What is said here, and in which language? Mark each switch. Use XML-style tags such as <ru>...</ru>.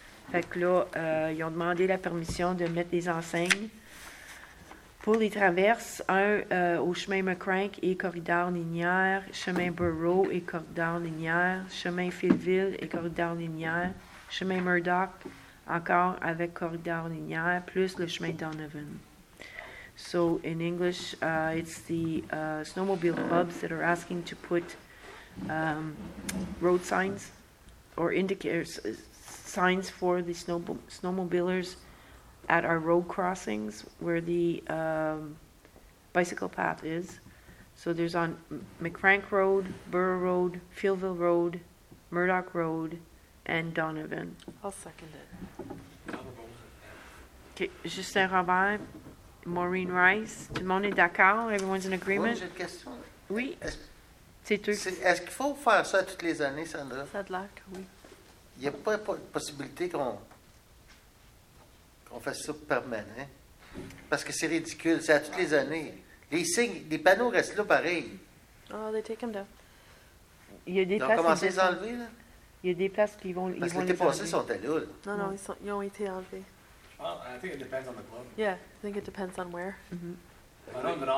<fr>Fait que là, ils ont demandé la permission de mettre des enseignes pour les traverses, au chemin McCrank et corridor linéaire, chemin Burrow et corridor linéaire, chemin Philville et corridor linéaire, chemin Murdoch encore avec corridor linéaire, plus le chemin Donovan.</fr> <en>So, in English, it's the snowmobile clubs that are asking to put road signs or indicators, signs for the snowmobilers at our road crossings where the bicycle path is. So, there's on McCrank Road, Burrow Road, Fieldville Road, Murdoch Road, and Donovan. I'll second it.</en> <fr>Okay, Justin Robert. Maureen Rice. Tout le monde est d'accord?</fr> <en>Everyone's in agreement?</en> <fr>Oui, j'ai une question. Oui. Est-ce qu'il faut faire ça toutes les années, Sandra? Ça de l'air, oui. Il n'y a pas de possibilité qu'on fasse ça permanent. Parce que c'est ridicule. C'est à toutes les années. Les signes, les panneaux restent là pareil.</fr> <en>Oh, they take them down.</en> <fr>Il y a des places. Ils ont commencé à les enlever, là? Il y a des places qui vont. Parce que l'été passé, ils sont allés là. Non, ils ont été enlevés.</fr> <en>Well, I think it depends on the club.</en>